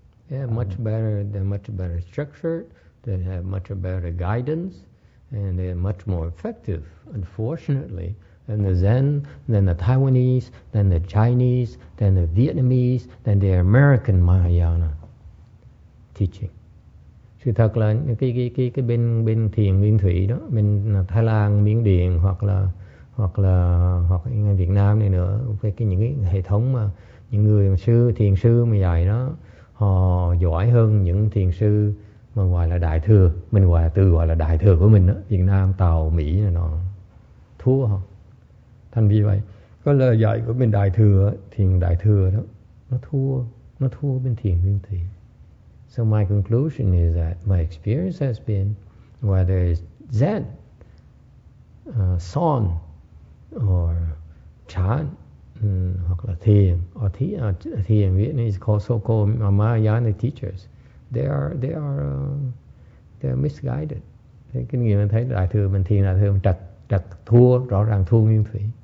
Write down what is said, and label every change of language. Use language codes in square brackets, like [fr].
[en] Yeah, much better. They're much better structured. They have much better guidance. And they're much more effective, unfortunately, than the Zen, than the Taiwanese, than the Chinese, than the Vietnamese, than the American Mahayana teaching. [vi] Sự thật là cái bên thiền Nguyên Thủy đó, bên Thái Lan, Miến Điện hoặc Việt Nam này nữa, với cái những cái hệ thống mà những người sư thiền sư mà dạy đó, họ giỏi hơn những thiền sư mà gọi là đại thừa, mình gọi là từ gọi là đại thừa của mình đó, Việt Nam, Tàu, Mỹ này nọ, thua họ. Thành vì vậy, có lời dạy của bên đại thừa, thiền đại thừa đó, nó thua bên thiền Nguyên Thủy. [en] So my conclusion is that my experience has been, whether it's Zen, Son, or Chan, [vi] hoặc là thiền, [en] or thiền Vietnamese called so-called Mahayana teachers. They are misguided. [vi] Thế kinh nghiệm mình thấy đại thừa mình thiền đại thừa mình trật thua, rõ ràng thua Nguyên Thủy.